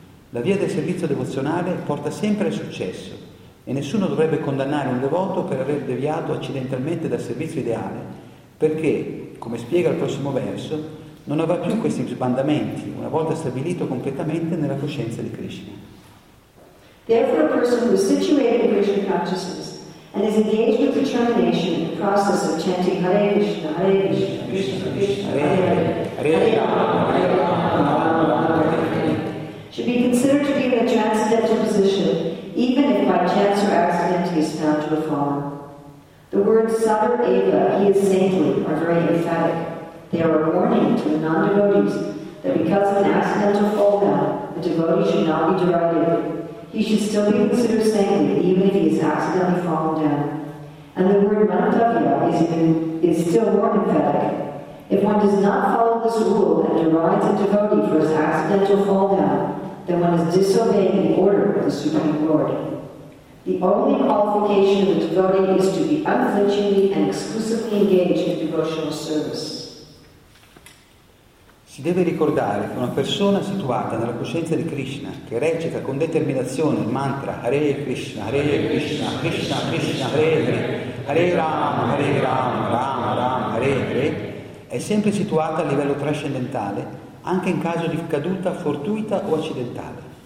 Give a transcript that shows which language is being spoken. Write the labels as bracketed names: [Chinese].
[Italian] La via del servizio devozionale porta sempre al successo e nessuno dovrebbe condannare un devoto per aver deviato accidentalmente dal servizio ideale perché, come spiega il prossimo verso, non avrà più questi sbandamenti una volta stabilito completamente nella coscienza di Krishna. [English] Therefore, a person who is situated in Krishna consciousness and is engaged with determination in the process of chanting Hare Krishna, Hare Krishna, Krishna Krishna, Hare Hare, Hare Rama, Hare Rama, Rama Rama, Hare Hare, should be considered to be in a transcendental position, even if by chance or accident he is found to have fallen. The words Sadar Eva, he is saintly, are very emphatic. They are a warning to the non-devotees that because of an accidental fall down, the devotee should not be derided. He should still be considered saintly, even if he has accidentally fallen down. And the word Manatavya is still more emphatic. If one does not follow this rule and derides a devotee for his accidental fall down, then one is disobeying the order of the Supreme Lord. The only qualification of the devotee is to be unflinchingly and exclusively engaged in devotional service. [Italian] Si deve ricordare che una persona situata nella coscienza di Krishna, che recita con determinazione il mantra Hare Krishna, Krishna Krishna, Hare Hare, Hare Rama, Rama Rama, Hare Hare, è sempre situata a livello trascendentale, anche in caso di caduta fortuita o accidentale.